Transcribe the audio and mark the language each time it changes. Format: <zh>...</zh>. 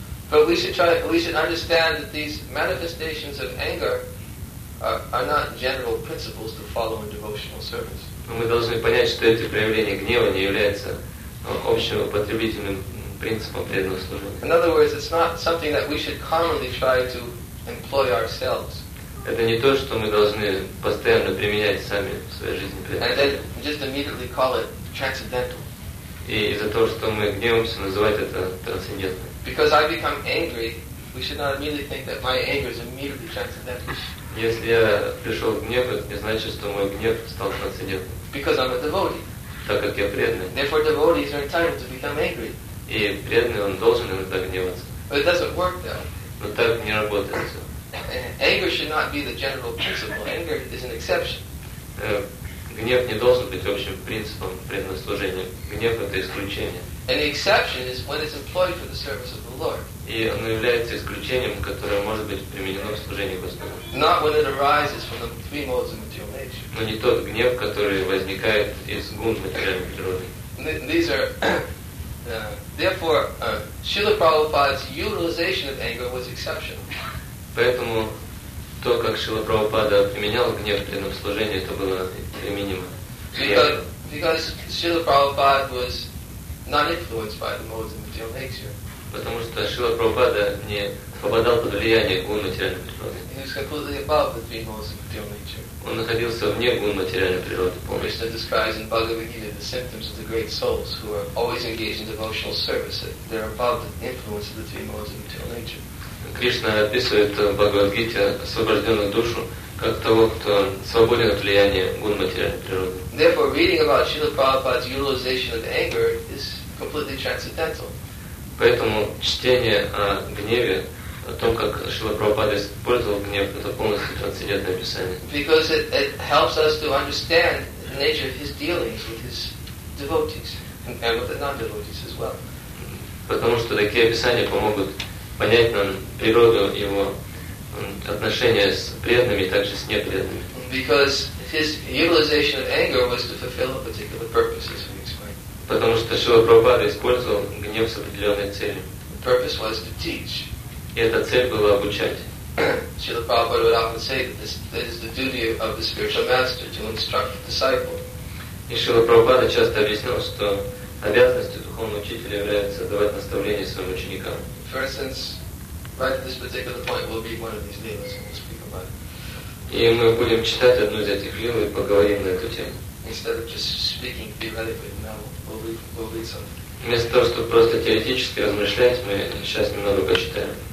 <en>But we should understand that these manifestations of anger are not general principles to follow in devotional service.</en> <ru>Но мы должны понять, что эти проявления гнева не являются общим употребительным принципом преданного служения.</ru> <en>In other words, it's not something that we should commonly try to employ ourselves.</en> <ru>Это не то, что мы должны постоянно применять сами в своей жизни.</ru> <en>And then just immediately call it transcendental.</en> <ru>И из-за того, что мы гневаемся, называть это трансцендентным.</ru> <en>Because I become angry, we should not immediately think that my anger is immediately transcendental.</en> <ru>Если я пришел в гнев, это не значит, что мой гнев стал трансцендентным.</ru> <en>Because I'm a devotee.</en> <ru>Так как я преданный.</ru> <en>Therefore, devotees are entitled to become angry.</en> <ru>И преданный, он должен иногда гневаться.</ru> <en>But it doesn't work, though.</en> <ru>Но так не работает все.</ru> <en>Anger should not be the general principle. Anger is an exception.</en> <ru>Гнев не должен быть общим принципом преданного служения. Гнев — это исключение.</ru> <en>And the exception is when it's employed for the service of the Lord.</en> <ru>И оно является исключением, которое может быть применено в служении Господу.</ru> <en>Not when it arises from the three modes of material nature.</en> <ru>Но не тот гнев, который возникает из гун материальной природы.</ru> <en>These are therefore Srila Prabhupada's utilization of anger was exceptional.</en> <ru>Поэтому то, как Шрила Прабхупада применял гнев в преданном служении, это было применимо. Потому что Шрила Прабхупада не попадал под влияние гун материальной природы. Он находился вне гун материальной природы полностью.</ru> <en>Krishna describes in Bhagavad Gita the symptoms of the great souls who are always engaged in devotional service. They're above the influence of the three modes of material nature.</en> <ru>Кришна описывает Бхагавад-гите освобожденную душу как того, кто свободен от влияния гун материальной природы.</ru> <en>Therefore, reading about Srila Prabhupada's utilization of anger is completely transcendental.</en> <ru>Поэтому чтение о гневе, о том, как Шрила Прабхупада использовал гнев, это полностью трансцендентное описание.</ru> <en>Because it helps us to understand the nature of his dealings with his devotees and with the non-devotees as well.</en> <ru>Потому что такие описания помогут понять нам природу его отношения с преданными и также с непреданными.</ru> <en>Because his utilization of anger was to fulfill a particular purpose, as we explained.</en> <ru>Потому что Шрила Прабхупада использовал гнев с определенной целью.</ru> <en>The purpose was to teach.</en> <ru>И эта цель была обучать.</ru> <en>Srila Prabhupada would often say that this is the duty of the spiritual master to instruct the disciple.</en> <ru>И Шрила Прабхупада часто объяснял, что обязанностью духовного учителя является давать наставления своим ученикам.</ru> <en>For instance, right at this particular point will be one of these lilas, and we'll speak about it.</en> <ru>И мы будем читать одну из этих лил и поговорим на эту тему.</ru> <en>Instead of just speaking theoretically, now we'll read something.</en> <ru>Вместо того, чтобы просто теоретически размышлять, мы сейчас немного почитаем.</ru>